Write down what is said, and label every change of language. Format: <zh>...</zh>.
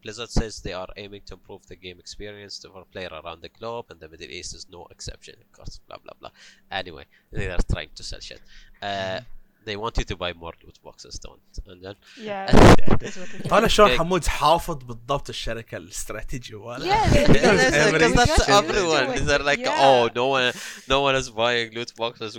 <en>Blizzard says they are aiming to improve the game experience for player around the globe, and the Middle East is no exception. Of course, blah blah blah. Anyway, they are trying to sell shit. They want you to buy more loot boxes, don't? And then yeah.</en> <ar>طالع شلون حمود حافظ بالضبط الشركة الاستراتيجية ولا؟</ar> <en>Yeah, because that's everyone. These are like, oh, no one is buying loot boxes.</en>